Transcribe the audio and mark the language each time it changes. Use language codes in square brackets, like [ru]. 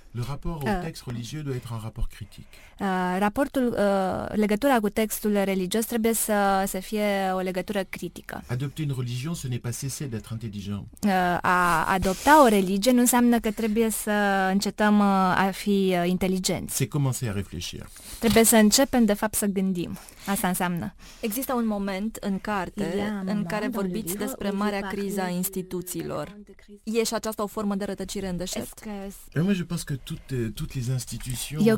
[fr] Le rapport au text religieux doit être un rapport critique. [ro] Raportul, legătura cu textul religios trebuie să, să fie o legătură critică. [fr] Adopter une religion, ce n'est pas cesser d'être intelligent. [ro] A adopta o religie nu înseamnă că trebuie să încetăm a fi inteligenți. [fr] C'est commencer à réfléchir. [ro] Trebuie să începem, de fapt, să gândim. Asta înseamnă. Există un moment în carte în care vorbiți despre marea criză a instituțiilor. E și aceasta o formă de rătăcire în deșert? [fr] Moi, je pense que toutes les institutions.